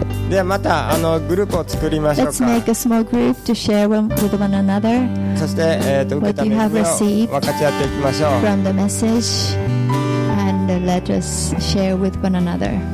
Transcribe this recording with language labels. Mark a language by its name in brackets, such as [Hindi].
[Japanese] ではまたあのグループを作りましょうか。 [English] Let's make a small group to share with one another. [Japanese] そして、受けた恵みを分かち合っていきましょう。 [English] From the message and let us share with one another.